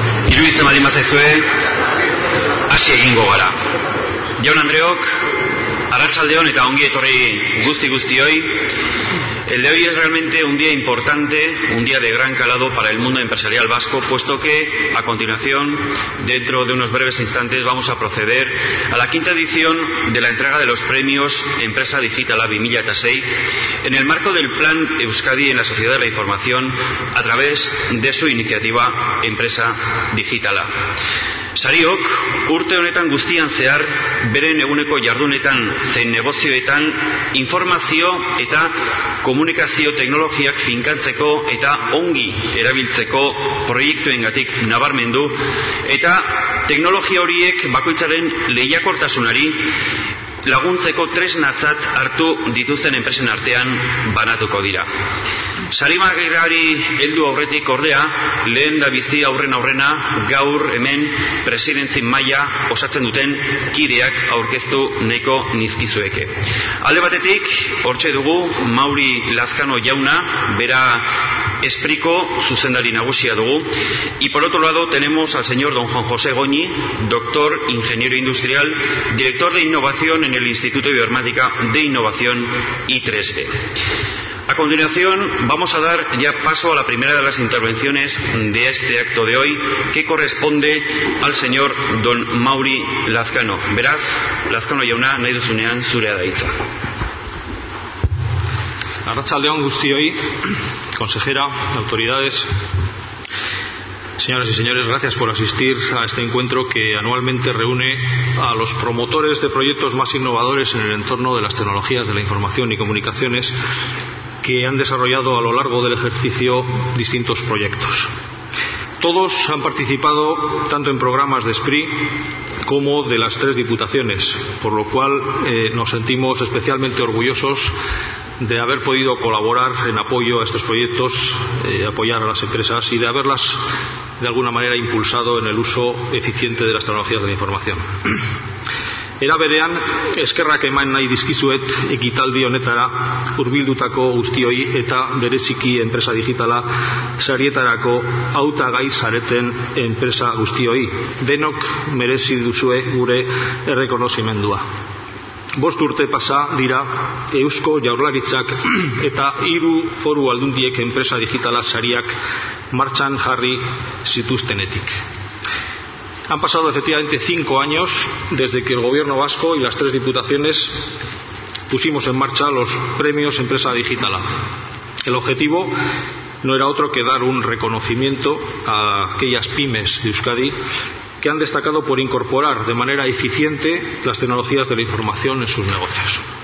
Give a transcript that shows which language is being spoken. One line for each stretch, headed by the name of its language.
Basque: Iruditzen baldin bazaizue, hasi egingo gara. Jaun andreok, arratsaldeon eta ongi etorri guztioi.
Spanish: El de hoy es realmente un día importante, un día de gran calado para el mundo empresarial vasco, puesto que a continuación, dentro de unos breves instantes, vamos a proceder a la quinta edición de la entrega de los premios Empresa Digital ABI 2006 en el marco del Plan Euskadi en la Sociedad de la Información a través de su iniciativa Empresa Digitala.
Basque: Sariok, urte honetan guztian zehar, beren eguneko jardunetan zein negozioetan, informazio eta komunikazio teknologiak finkatzeko eta ongi erabiltzeko proiektuengatik nabarmendu, eta teknologia horiek bakoitzaren lehiakortasunari laguntzeko tresnatzat hartu dituzten enpresen artean banatuko dira. Sarimagirari heldu aurretik ordea, lehen da bizi aurrena, gaur hemen presidentzin maila osatzen duten kideak aurkeztu nahiko nizkizueke. Alde batetik, hortxe dugu Mauri Lazkano jauna, bera Espriko zuzendari nagusia dugu.
Spanish: Y por otro lado tenemos al señor don Juan José Goñi, doctor ingeniero industrial, director de innovación en el Instituto Ibermática de Innovación I3B. A continuación vamos a dar ya paso a la primera de las intervenciones de este acto de hoy, que corresponde al señor don Mauri Lazkano.
Basque: Beraz, Lazkano jauna, nahi duzunean zurea da hitza. Arratsaldeon guztioi,
Spanish: consejera, autoridades, señoras y señores, gracias por asistir a este encuentro que anualmente reúne a los promotores de proyectos más innovadores en el entorno de las tecnologías de la información y comunicaciones que han desarrollado a lo largo del ejercicio distintos proyectos. Todos han participado tanto en programas de Spri como de las tres diputaciones, por lo cual nos sentimos especialmente orgullosos de haber podido colaborar en apoyo a estos proyectos, apoyar a las empresas y de haberlas de alguna manera impulsado en el uso eficiente de las tecnologías de la información.
Basque: Era berean, eskerrak eman nahi dizkizuet ekitaldi honetara hurbildutako guztioi eta bereziki enpresa digitala sarietarako hautagai zareten enpresa guztioi. Denok merezi duzue gure errekonozimendua. Bost urte pasa dira Eusko Jaurlaritzak eta hiru foru aldundiek enpresa digitala sariak martxan jarri zituztenetik.
Spanish: Han pasado efectivamente 5 años desde que el Gobierno Vasco y las tres diputaciones pusimos en marcha los premios Empresa Digitala. El objetivo no era otro que dar un reconocimiento a aquellas pymes de Euskadi que han destacado por incorporar de manera eficiente las tecnologías de la información en sus negocios.